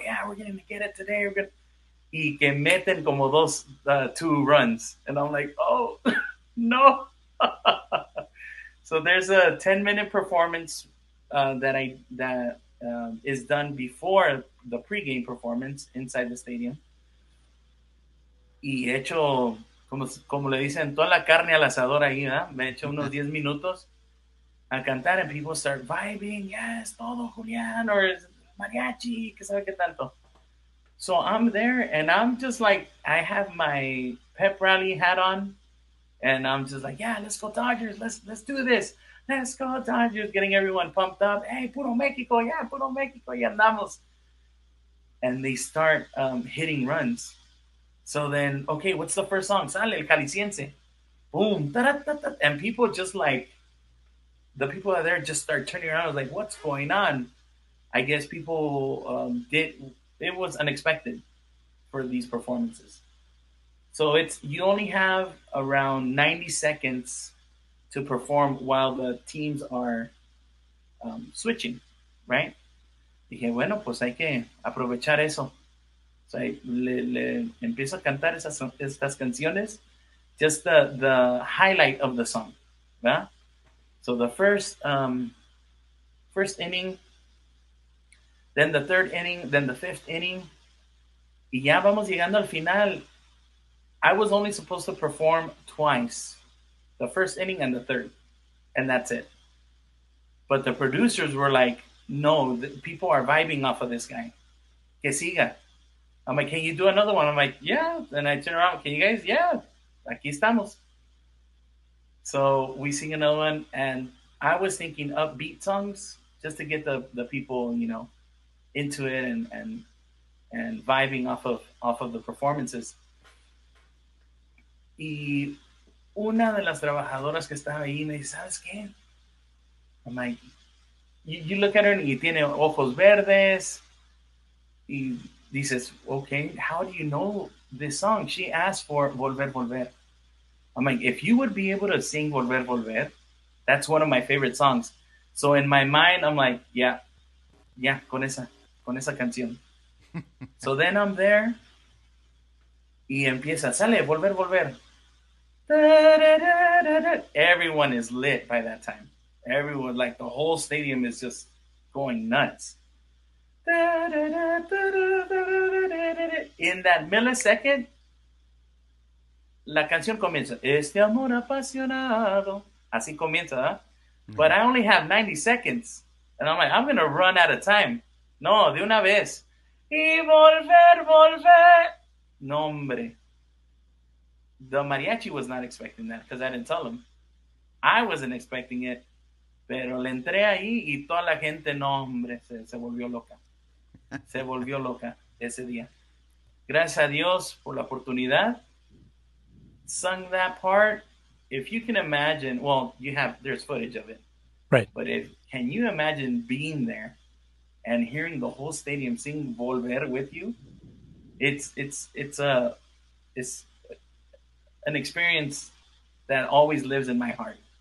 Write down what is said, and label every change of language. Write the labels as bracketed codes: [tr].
[en] Yeah, we're going to get it today. We're gonna... [es] Y que meten como dos, [en] two runs. And I'm like, oh, no. So there's a 10-minute performance that is done before the pregame performance inside the stadium. [es] Y hecho, como le dicen, toda la carne al asador ahí, ¿verdad? Me echo unos 10 minutos a cantar, [en] and people start vibing. [es] Yes, todo, Julián, or... Mariachi, que sabe que tanto. [en] So I'm there, and I'm just like, I have my pep rally hat on, and I'm just like, yeah, let's go Dodgers, let's do this, let's go Dodgers, getting everyone pumped up. Hey, puro Mexico, yeah, puro Mexico, [es] y andamos. [en] And they start hitting runs. So then, okay, what's the first song? [es] Sale el Jalisciense. [en] Boom, ta-da-da-da. And people just like, the people that are there just start turning around. I was like, what's going on? I guess people did, it was unexpected for these performances. So it's, you only have around 90 seconds to perform while the teams are switching, right? [es] Dije, bueno, pues hay que aprovechar eso. [en] So I [es] le empiezo a cantar estas canciones, [en] just the highlight of the song, yeah? So the first inning, then the third inning, then the fifth inning. [es] Y ya vamos llegando al final. [en] I was only supposed to perform twice, the first inning and the third, and that's it. But the producers were like, no, people are vibing off of this guy. [es] Que siga. [en] I'm like, can you do another one? I'm like, yeah. And I turn around, can you guys? Yeah, [es] aquí estamos. [en] So we sing another one, and I was thinking upbeat songs just to get the people, you know, into it and vibing off of the performances. [es] Y una de las trabajadoras que estaba ahí me dice, ¿sabes qué? [en] I'm like, you look at her and [es] tiene ojos verdes. [en] Y dices, okay, how do you know this song? She asked for Volver, Volver. I'm like, if you would be able to sing Volver, Volver, that's one of my favorite songs. So in my mind, I'm like, yeah, [es] con esa. Con esa canción. [en] So then I'm there. [es] Y empieza. Sale, volver, volver. Da, da, da, da, da. [en] Everyone is lit by that time. Everyone, like the whole stadium is just going nuts. Da, da, da, da, da, da, da. in that millisecond, [es] la canción comienza. Este amor apasionado. Así comienza, huh? Mm-hmm. [en] But I only have 90 seconds. And I'm like, I'm going to run out of time. [es] No, de una vez. Y volver, volver. No, hombre. [en] The mariachi was not expecting that because I didn't tell him. I wasn't expecting it. [es] Pero le entré ahí y toda la gente, no, hombre, se volvió loca. Se volvió loca ese día. Gracias a Dios por la oportunidad. [en] Sung that part. If you can imagine, well, you have, there's footage of it. Right. But if, can you imagine being there and hearing the whole stadium sing Volver with you? It's an experience that always lives in my heart.